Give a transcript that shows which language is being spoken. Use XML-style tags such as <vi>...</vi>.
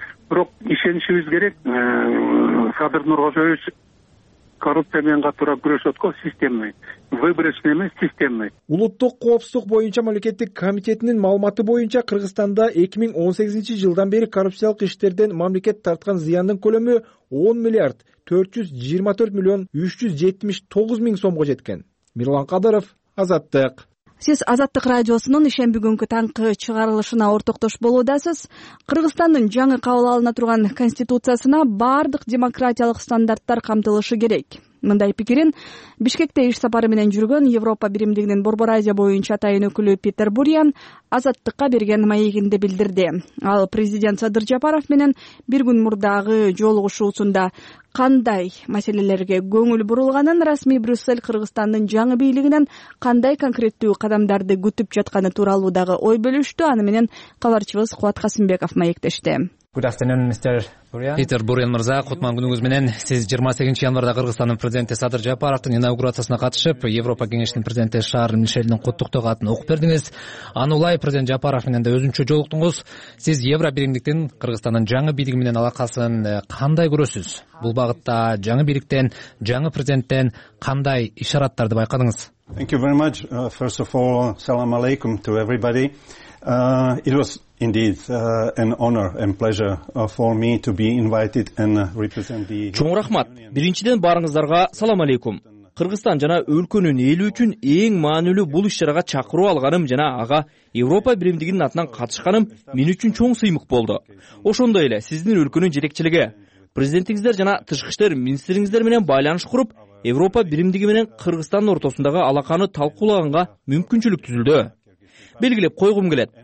<ky>Бирок ишенишибиз керек, Садыр Нургожоевич коррупция менен катуураак күрөшөтко</ky> <ru>системный, выборочный</ru> <ky>эмес, системный. Улуттук коопсуздук боюнча мамлекеттик комитетинин маалыматы боюнча Кыргызстанда 2018 жылдан бери коррупциялык иштерден мамлекет тарткан зыяндын көлөмү 10,424,379,000 сомго жеткен. Мирлан Кадыров, Азаттык. Сиз Азаттык радиосунун ишен бүгүнкү таңкы чыгарылышына ортоктош болуудасыз. Кыргызстандын жаңы кабыл алына турган конституциясына бардык демократиялык стандарттар камтылышы керек. Мындай пикирин Бишкекте иш сапары менен жүргөн Европа биримдигинин Борбор Азия боюнча тайын өкүлү Питер Буриан Азаттыкка берген маегинде билдирди. Ал президент Садыр Жапаров менен бир күн мурдагы жолугушуусунда кандай маселелерге көңүл бурулганын, расмий Брюссель Кыргызстандын жаңы бийлигинен кандай конкреттүү кадамдарды күтүп жатканы тууралуу дагы ой бөлүштү. Аны менен кабарчыбыз Кубат Касымбеков маектешти.</ky> <en>Good afternoon, Mr. Burian.</en> <ky>Питер Буриан мырза, кутман күнүңүз менен. Сиз 28 январда Кыргызстандын президенти Садыр Жапаровдун инаугурациясына катышып, Европа кеңешинин президенти Шарль Мишелдин куттуктоо катын окуп бердиңиз. Аны улай президент Жапаров менен да өзүнчө жолуктуңуз. Сиз Евро биримдиктин Кыргызстандын жаңы бийлиги менен алакасын кандай көрөсүз? Бул багытта жаңы бийликтен, жаңы президенттен кандай ишараттарды байкадыңыз?</ky> <en>Thank you very much. First of all, salam alaikum to everybody. It was indeed an honor and pleasure for me to be invited and represent the</en> <ky>Чоң рахмат. Биринчиден баарыңыздарга салам алейкум. Кыргызстан жана өлкөнүн эли үчүн эң маанилүү бул иш-чарага чакыруу алганым жана ага Европа биримдигинин атынан катышканым мен үчүн чоң сыймык болду. Ошондой эле сиздин өлкөнүн жетекчилиги, президентиңиздер жана тышкы иштер министриңиздер менен байланыш куруп, Европа биримдиги менен Кыргызстандын ортосундагы алаканы талкуулаганга мүмкүнчүлүк түзүлдү. белгилеп койгум келет.</ky>